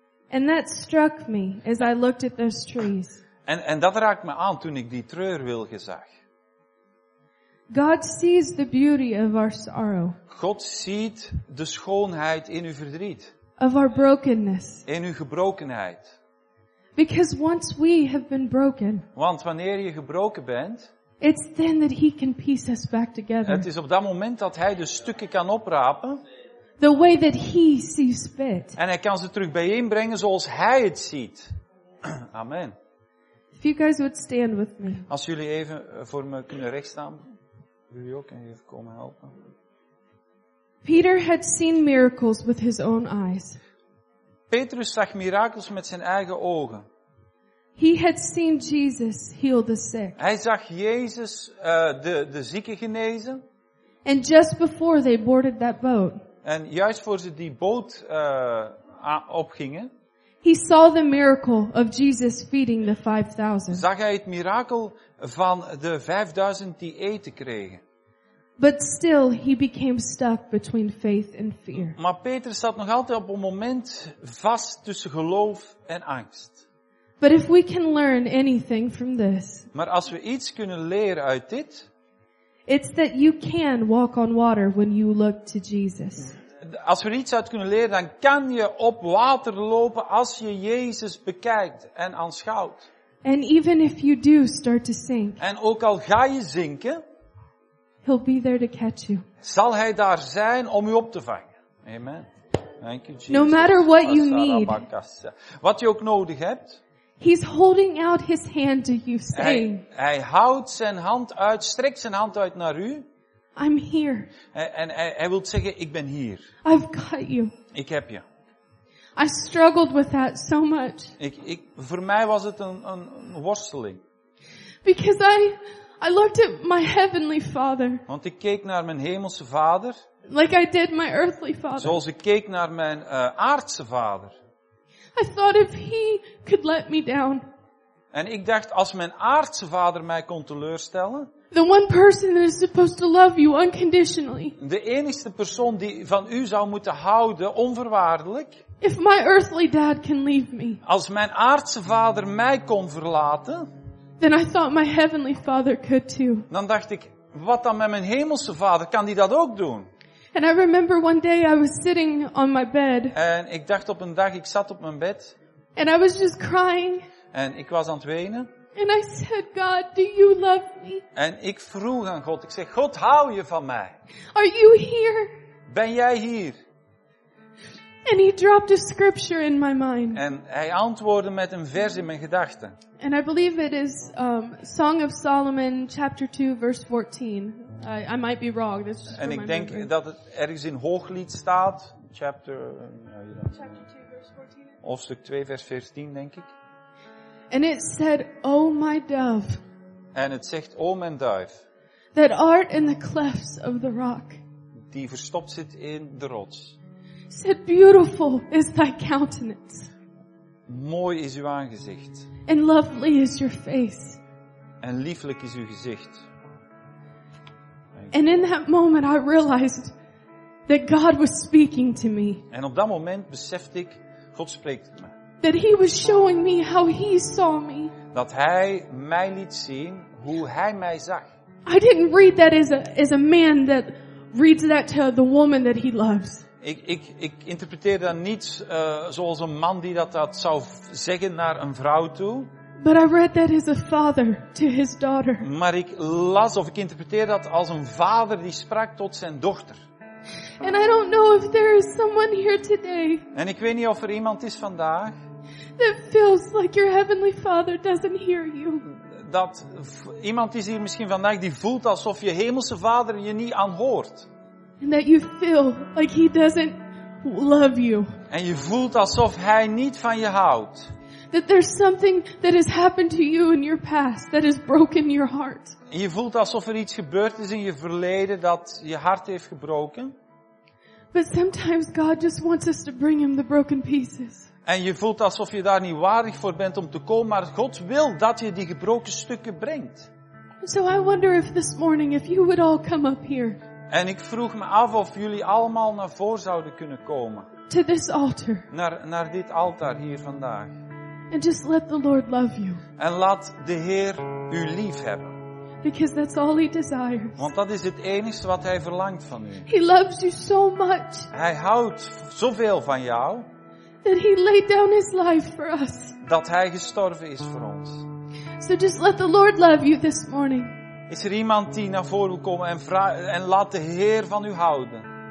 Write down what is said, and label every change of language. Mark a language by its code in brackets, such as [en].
[en] And that struck me as I looked at those trees. [nl] En dat raakte me aan toen ik die treurwilgen zag. [en] God sees the beauty of our sorrow. [nl] God ziet de schoonheid in uw verdriet. [en] Of our brokenness. [nl] In uw gebrokenheid. [en] Because once we have been broken. [nl] Want wanneer je gebroken bent, [en] it's then that he can piece us back together. [nl] Het is op dat moment dat hij de stukken kan oprapen. [en] The way that he sees fit. [nl] En hij kan ze terug bijeenbrengen zoals hij het ziet. [en] Amen. If you guys would stand with me. [nl] Als jullie even voor me kunnen rechtstaan. Wil je ook even komen helpen? [en] Peter had seen miracles with his own eyes. [nl] Petrus zag mirakels met zijn eigen ogen. [en] He had seen Jesus heal the sick. [nl] Hij zag Jezus de zieken genezen. [en] And just before they boarded that boat. [nl] En juist voor ze die boot opgingen. [en] He saw the miracle of Jesus feeding the 5,000. [nl] Zag hij het mirakel van de 5,000 die eten kregen. [en] But still he became stuck between faith and fear. [nl] Maar Peter zat nog altijd op een moment vast tussen geloof en angst. [en] But if we can learn anything from this. [nl] Maar als we iets kunnen leren uit dit. [en] It's that you can walk on water when you look to Jesus. [nl] Als we er iets uit kunnen leren, dan kan je op water lopen als je Jezus bekijkt en aanschouwt. [en] And even if you do start to sink, [nl] en ook al ga je zinken, [en] he'll be there to catch you. [nl] Zal hij daar zijn om je op te vangen. [en] Amen. Thank you, Jesus. No matter what you need, [nl] wat je ook nodig hebt, [en] he's holding out his hand to you, saying, [nl] hij houdt zijn hand uit, strekt zijn hand uit naar u. [en] I'm here. [nl] En hij wil zeggen, ik ben hier. [en] I've got you. [nl] Ik heb je. [en] I struggled with that so much. [nl] Ik voor mij was het een worsteling. [en] Because I looked at my heavenly father. [nl] Want ik keek naar mijn hemelse vader. [en] Like I did my earthly father. [nl] Zoals ik keek naar mijn aardse vader. [en] I thought if he could let me down. [nl] En ik dacht, als mijn aardse vader mij kon teleurstellen. [en] The one person that is supposed to love you unconditionally. [nl] De enigste persoon die van u zou moeten houden, onvoorwaardelijk. [en] If my earthly dad can leave me. [nl] Als mijn aardse vader mij kon verlaten. [en] Then I thought my heavenly father could too. [nl] Dan dacht ik, wat dan met mijn hemelse vader, kan die dat ook doen? [en] And I remember one day I was sitting on my bed. [nl] En ik dacht op een dag, ik zat op mijn bed. [en] And I was just crying. [nl] En ik was aan het wenen. [en] And I said, God, do you love me? [nl] En ik vroeg aan God, ik zeg, God, hou je van mij? [en] Are you here? [nl] Ben jij hier? [en] And he dropped a scripture in my mind. [nl] En hij antwoordde met een vers in mijn gedachten. [en] And I believe it is Song of Solomon, chapter 2, verse 14. I might be wrong. That's just [nl] en [en] for [nl] ik [en] my [nl] denk [en] memory. [nl] Dat het ergens in Hooglied staat. [en] Chapter 2, verse 14. [nl] Hoofdstuk 2, vers 14, denk ik. [en] And it said, O my dove. [nl] En het zegt, O mijn duif. [en] That art in the clefts of the rock. [nl] Die verstopt zit in de rots. [en] Said, beautiful is thy countenance. [nl] Mooi is uw aangezicht. [en] And lovely is your face. [nl] En lieflijk is uw gezicht. [en] And in that moment I realized that God was speaking to me. [nl] En op dat moment besefte ik, God spreekt tot me. [en] That he was showing me how he saw me. [nl] Dat hij mij liet zien hoe hij mij zag. [en] I didn't read that as a man that reads that to the woman that he loves. [nl] Ik interpreteer dat niet zoals een man die dat zou zeggen naar een vrouw toe. [en] But I read that as a father to his daughter. [nl] Maar ik las of ik interpreteer dat als een vader die sprak tot zijn dochter. [en] And I don't know if there is someone here today. [nl] En ik weet niet of er iemand is vandaag. [en] That feels like your heavenly Father doesn't hear you. [nl] Dat iemand is hier misschien vandaag die voelt alsof je hemelse Vader je niet aanhoort. [en] And that you feel like he doesn't love you. [nl] En je voelt alsof hij niet van je houdt. [en] That there's something that has happened to you in your past that has broken your heart. [nl] En je voelt alsof er iets gebeurd is in je verleden dat je hart heeft gebroken. [en] But sometimes God just wants us to bring him the broken pieces. [nl] En je voelt alsof je daar niet waardig voor bent om te komen, maar God wil dat je die gebroken stukken brengt. [en] So I wonder if this morning if you would all come up here. [nl] En ik vroeg me af of jullie allemaal naar voren zouden kunnen komen. [en] To this altar. [nl] Naar dit altaar hier vandaag. [en] And just let the Lord love you. [nl] En laat de Heer u lief hebben. [en] Because that's all he desires. [nl] Want dat is het enigste wat hij verlangt van u. [en] He loves you so much. [nl] Hij houdt zoveel van jou. [en] That he laid down his life for us. [nl] Dat hij gestorven is voor ons. [en] So just let the Lord love you this morning. [nl] Is er iemand die naar voren wil komen en laat de Heer van u houden?